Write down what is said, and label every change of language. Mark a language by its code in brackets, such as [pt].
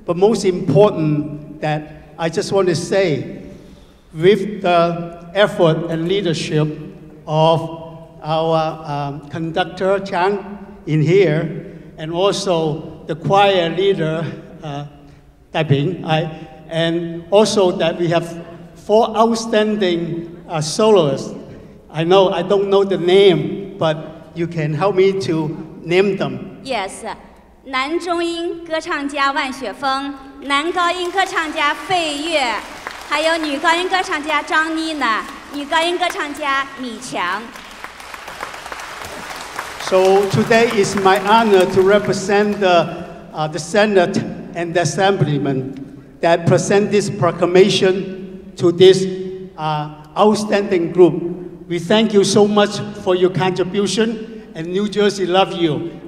[en] But most important that I just want to say, with the effort and leadership of our conductor Chang in here, and also the choir leader Daiping, and also that we have 4 outstanding soloists. I know I don't know the name, but you can help me to name them. [zh] Yes, 男中音歌唱家万雪峰，男高音歌唱家费月，还有女高音歌唱家张妮娜，女高音歌唱家米强。 [en] So today is my honor to represent the Senate and the Assemblyman that present this proclamation to this outstanding group. We thank you so much for your contribution, and New Jersey love you.